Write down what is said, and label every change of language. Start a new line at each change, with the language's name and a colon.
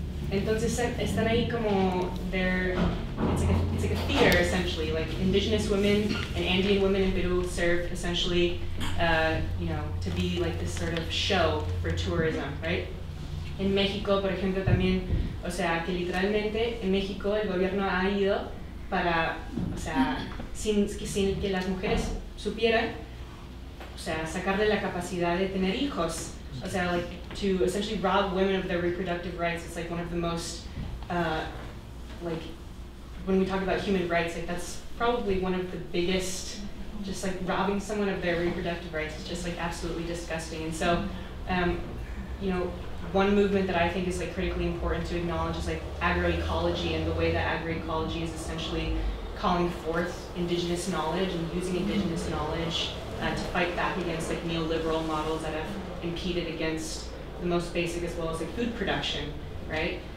Spanish: Entonces están ahí como,
English: it's like a theater essentially, like indigenous women and Andean women in Peru serve essentially, to be like this sort of show for tourism, right?
Spanish: En México, por ejemplo, también, o sea, que literalmente en México el gobierno ha ido para, o sea, sin que las mujeres supieran, o sea, sacarle la capacidad de tener hijos. O sea,
English: like, to essentially rob women of their reproductive rights. It's like one of the most, when we talk about human rights, like that's probably one of the biggest, just like robbing someone of their reproductive rights is just like absolutely disgusting. And so, one movement that I think is like critically important to acknowledge is like agroecology and the way that agroecology is essentially calling forth indigenous knowledge and using indigenous knowledge to fight back against like neoliberal models that have impeded against the most basic as well as like food production, right?